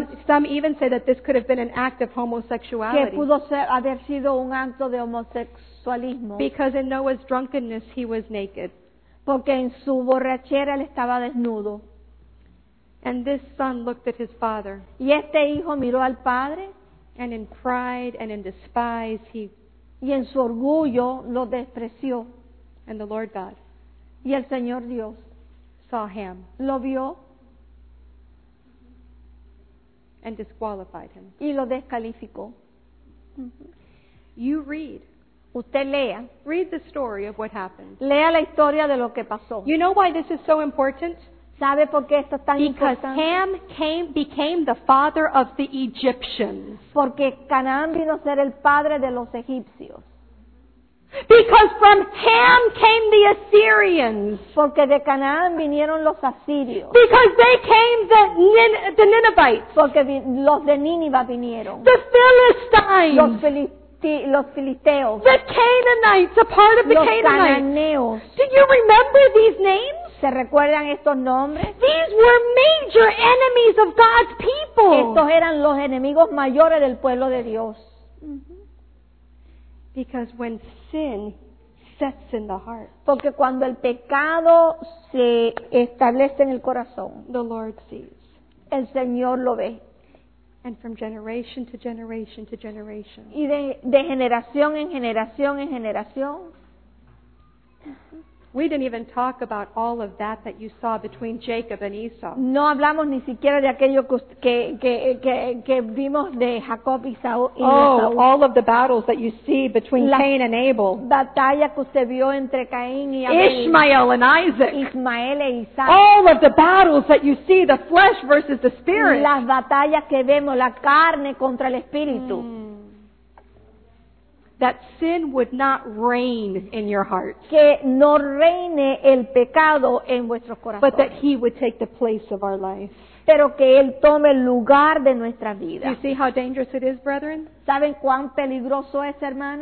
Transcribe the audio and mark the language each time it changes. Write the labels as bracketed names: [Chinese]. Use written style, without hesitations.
[English] some even say that this could have been an act of homosexuality. [Spanish] Que pudo haber sido un acto de homosexualismo. [English] Because in Noah's drunkenness he was naked. [Spanish] Porque en su borrachera él estaba desnudo. [English] And this son looked at his father. [Spanish] Y este hijo miró al padre. [English] And in pride and in despise he. [Spanish] Y en su orgullo lo despreció. [English] And the Lord God. [Spanish] Y el Señor Dios. [English] Saw him. [Spanish] Lo vio. [English] And disqualified him. [Spanish] Y lo descalificó. [English] You read. [Spanish] Usted lea. [English] Read the story of what happened. [Spanish] Lea la historia de lo que pasó. [English] You know why this is so important? [Spanish] ¿Sabe por qué esto es tan [English] because [Spanish] importante? [English] Ham became the father of the Egyptians. [Spanish] Porque Canaán vino a ser el padre de los egipcios. [English] Because from Ham came the Assyrians. [Spanish] Porque de Canaán vinieron los asirios. [English] Because they came the Ninevites. [Spanish] Porque los de Nínive vinieron. [English] The Philistines. [Spanish] Los filisteos. [English] The Canaanites, a part of the [Spanish] los [English] Canaanites. [Spanish] Los cananeos. [English] Do you remember these names? [Spanish] ¿Se recuerdan estos nombres? [English] These were major enemies of God's people. [Spanish] Estos eran los enemigos mayores del pueblo de Dios. [English] Because when sin sets in the heart. [Spanish] Porque cuando el pecado se establece en el corazón, [English] the Lord sees. [Spanish] El Señor lo ve. [English] And from generation to generation to generation. [Spanish] Y de generación en generación en generación. [English] We didn't even talk about all of that that you saw between Jacob and Esau. [Spanish] No hablamos ni siquiera de aquello que vimos de Jacob y Esau. [English] Oh, all of the battles that you see between Cain and Abel. [Spanish] Batalla que usted vio entre Caín y Abel. [English] Ishmael and Isaac. [Spanish] Ismael e Isaac. [English] All of the battles that you see, the flesh versus the spirit. [Spanish] Las batallas que vemos, la carne contra el espíritu. Mm. [English] That sin would not reign in your heart. [Spanish] Que no reine el pecado en vuestro corazón. [English] But that he would take the place of our life. [Spanish] Pero que él tome el lugar de nuestra vida. [English] You see how dangerous it is, brethren? [Spanish] ¿Saben cuán peligroso es, hermano?